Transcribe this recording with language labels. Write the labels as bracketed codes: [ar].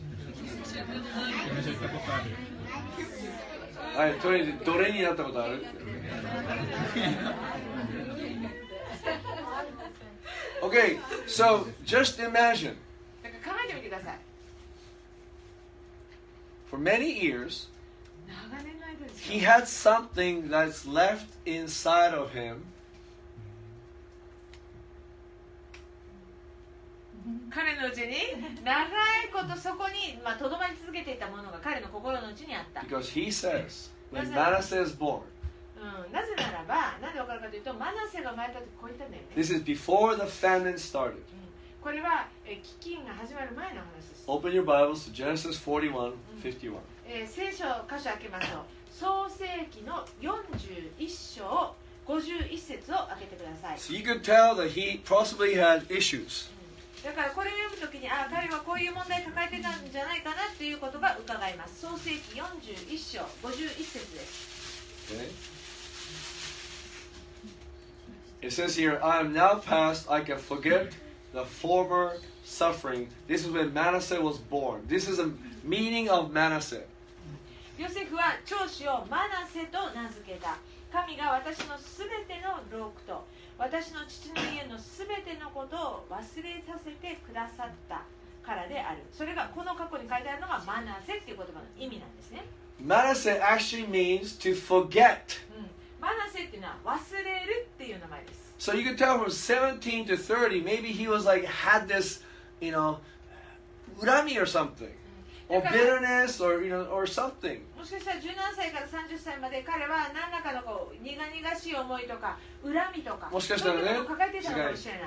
[ja] はい、とりあえず奴隷になったことある。 [en] Okay, so just imagine. [ja] だから考えてみてください。 [en] For many years, [ja] 長年の間ですよ。 [en] He had something that's left inside of him. [ja] 彼のうちに長いことそこにまあとどまり続けていたものが彼の心のうちにあった。 [en] Because he says, when Manasseh is born. [ja] なぜならば、なんでわかるかというと、マナセが生まれたときこう言ったんだよね。 [en] This is before the famine started. [ja] これは飢饉が始まる前の話です。 [en] Open your Bibles to Genesis 41, 51. [ja] 聖書箇所開けましょう。創世記の41章51節を開けてください。 [en] So you could tell that he possibly had issues. [ja] だからこれを読むときに、ああ彼はこういう問題を抱えてたんじゃないかなということが伺います。創世記41章51節です。 [en] It says here, I am now past, I can forget the former suffering. This is when Manasseh was born. This is the meaning of Manasseh. [ja] ヨセフは長子をマナセと名付けた。神が私のすべての労苦と私の父の家のすべてのことを忘れさせてくださったからである。それがこの過去に書いてあるのがマナセっていう言葉の意味なんですね。 [en] マナセ actually means to forget、 [ja] マナセっていうのは忘れるっていう名前です。 [en] So you can tell from 17 to 30 maybe he was like had this you know 恨みor something、or bitterness or, you know, or something. [ja] もしかしたら17歳から30歳まで彼は何らかのこう苦々しい思いとか恨みとかもしかしたらね、そういうことを抱えていたのかもしれない。